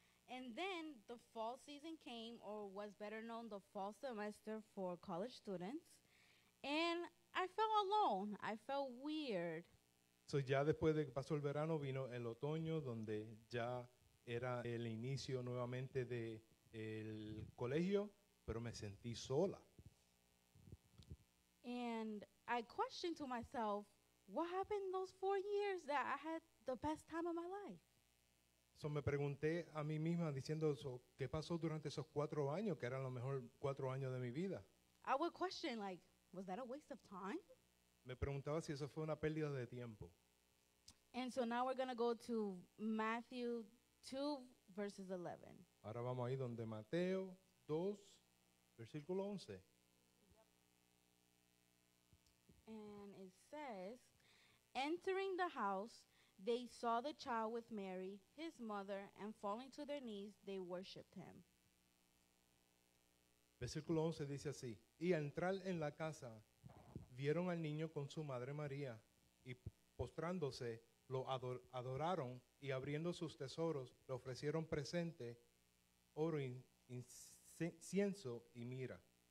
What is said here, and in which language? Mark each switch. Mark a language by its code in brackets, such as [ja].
[en] And then the fall season came, or was better known, the fall semester for college students, and I felt alone. I felt weird. [es] So ya después de que pasó el verano, vino el otoño, donde ya era el inicio nuevamente de el colegio, pero me sentí sola. [en] And I questioned to myself, what happened those 4 years that I had the best time of my life? [es] So me pregunté a mí misma diciendo, so, ¿qué pasó durante esos 4 años que eran los mejores 4 años de mi vida? [en] I would question, like, was that a waste of time? [es] Me preguntaba si eso fue una pérdida de tiempo. [en] And so now we're going to go to Matthew 2, verses 11. [es] Ahora vamos ahí donde Mateo 2, versículo 11. [en] And it says, entering the house, they saw the child with Mary, his mother, and falling to their knees, they worshipped him. [es] Versículo 11 dice así, y al entrar en la casa, vieron al niño con su madre María, y postrándose, lo adoraron, y abriendo sus tesoros, le ofrecieron presente, oro, incienso y mirra.